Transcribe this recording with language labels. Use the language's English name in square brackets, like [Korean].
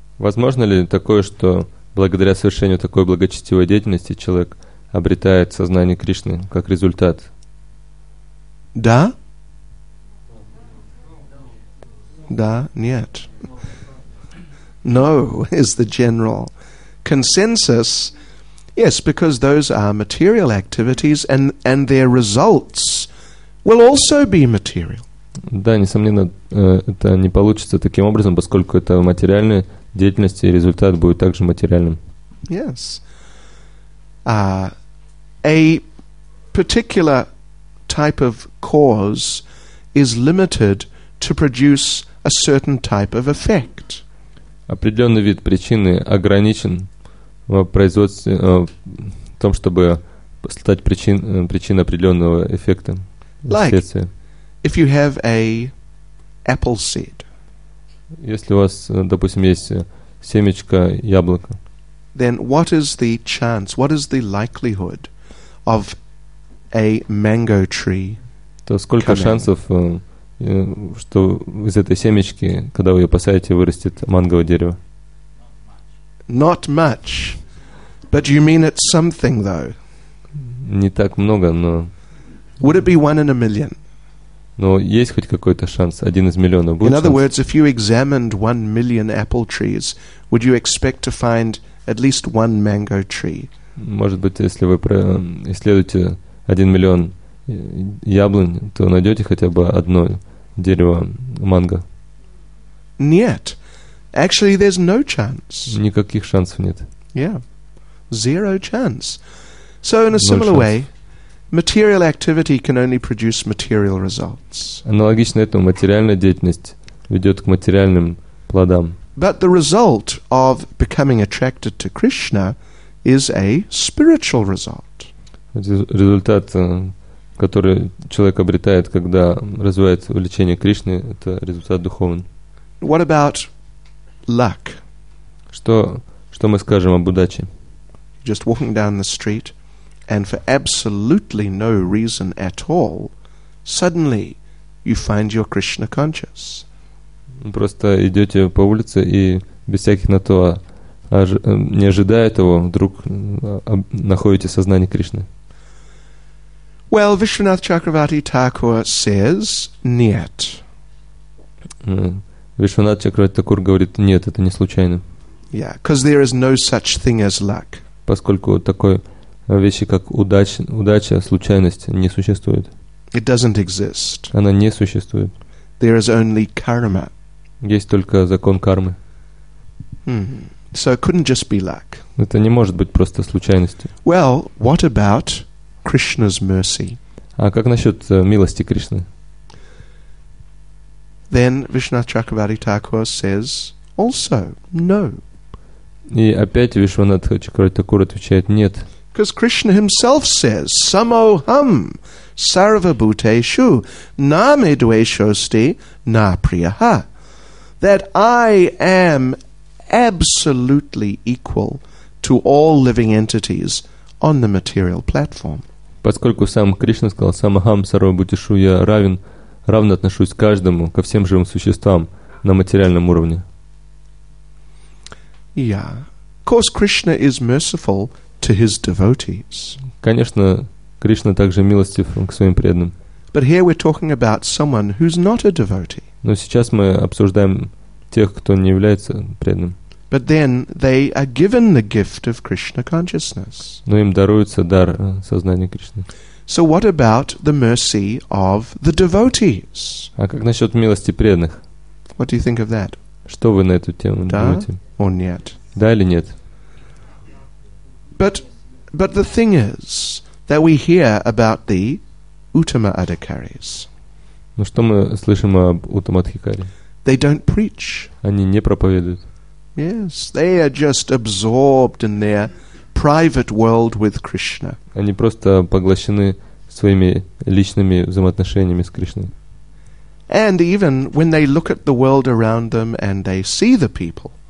[Russian] Возможно ли такое, что благодаря совершению такой благочестивой деятельности человек обретает сознание Кришны как результат? Да? Да, нет. [English] No is the general consensus. Yes, because those are material activities and their results will also be material. [Russian] Да, несомненно, это не получится таким образом, поскольку это материальная деятельность, и результат будет также материальным. [English] Yes. A particular type of cause is limited to produce a certain type of effect. [Russian] Определенный вид причины ограничен в производстве, в том, чтобы стать причиной определенного эффекта. [English] Like, if you have a apple seed. [Russian] Если у вас, допустим, есть семечко яблока. [English] Then what is the chance? What is the likelihood of a mango tree? [Russian] То сколько [English] coming? [Russian] Шансов, что из этой семечки, когда вы ее посадите, вырастет манговое дерево? [English] Not much. But you mean it's something though. [Russian] Не так много, но. [English] Would it be one in a million? [Russian] Но есть хоть какой-то шанс, один из миллиона будет. [English] In other [Russian] шанс? [English] Words, if you examined 1 million apple trees, would you expect to find at least one mango tree? [Russian] Может быть, если вы исследуете 1 миллион яблонь, то найдете хотя бы одно дерево манго? Нет. [English] Actually, there's no chance. [Russian] Никаких шансов нет. [English] Yeah. Zero chance. So in a similar way, material activity can only produce material results. [Russian] Аналогично этому, материальная деятельность ведет к материальным плодам. [English] But the result of becoming attracted to Krishna is a spiritual result. [Russian] Результат, который человек обретает, когда развивает увлечение Кришны, это результат духовный. [English] What about luck? [Russian] Что мы скажем об удаче? [English] Just walking down the street, and for absolutely no reason at all, suddenly you find your Krishna conscious. [Russian] Просто идете по улице и без всяких на то, не ожидая этого, вдруг находите сознание Кришны. [English] Well, Vishwanath Chakravarti Thakur says [Russian] нет. Вишванат Чакравати Такур говорит нет, это не случайно. [English] Yeah, because there is no such thing as luck. [Russian] Поскольку такой вещи, как удача, случайность, не существует. [English] It doesn't exist. [Russian] Она не существует. [English] There is only karma. [Russian] Есть только закон кармы. [English] So it couldn't just be luck. [Russian] Это не может быть просто случайностью. [English] Well, what about Krishna's mercy? [Russian] А как насчет милости Кришны? [English] Then Vishwanath Chakravarti Thakur says also no. [Russian] И опять Вишванатха Чакравати Такур отвечает нет. [English] Because Krishna himself says, Samoham sarvabhuteshu name dveshosti na priyaha, that I am absolutely equal to all living entities on the material platform. [Russian] Поскольку сам Кришна сказал, Самохам сарвабхутешу, я равен, равно отношусь к каждому, ко всем живым существам на материальном уровне. [English] Yeah. Of course, Krishna is merciful to his devotees. [Russian] Конечно, Кришна также милостив к своим преданным. [English] But here we're talking about someone who's not a devotee. [Russian] Но сейчас мы обсуждаем тех, кто не является преданным. [English] But then they are given the gift of Krishna consciousness. [Russian] Но им даруется дар сознания Кришны. [English] So what about the mercy of the devotees? [Russian] А как насчет милости преданных? [English] What do you think of that? [Russian] Что вы на эту тему думаете? [English] Or [Russian] нет? Да или нет? [English] But the thing is that we hear about the Uttama Adhikaris. [Russian] Ну что мы слышим об Uttama Adhikari? [English] They don't preach. [Russian] Они не проповедуют. [English] Yes, they are just absorbed in their private world with Krishna. [Russian] Они просто поглощены своими личными взаимоотношениями с Кришной. [English] And even when they look at the world around them and they see the people.